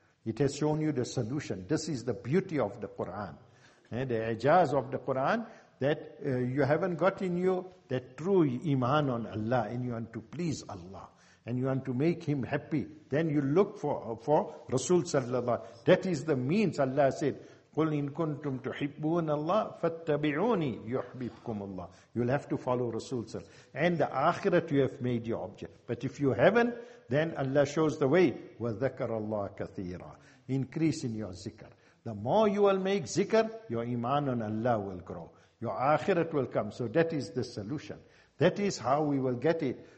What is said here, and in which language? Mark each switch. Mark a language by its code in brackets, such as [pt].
[en] It has shown you the solution. This is the beauty of the Quran. And the ijaz of the Quran, that you haven't got in you that true iman on Allah, and you want to please Allah, and you want to make him happy, then you look for Rasul sallallahu alayhi wa sallam. That is the means. Allah said, [ar] قُلْ إِن كُنْتُمْ تُحِبُّونَ اللَّهِ فَاتَّبِعُونِي يُحْبِبْكُمُ اللَّهِ. [en] You'll have to follow Rasul sallallahu alayhi wa sallam. And the akhirat you have made your object. But if you haven't, then Allah shows the way. [ar] وَذَكَرَ اللَّهَ كَثِيرًا. [en] Increase in your zikr. The more you will make zikr, your iman on Allah will grow. Your akhirat will come. So that is the solution. That is how we will get it.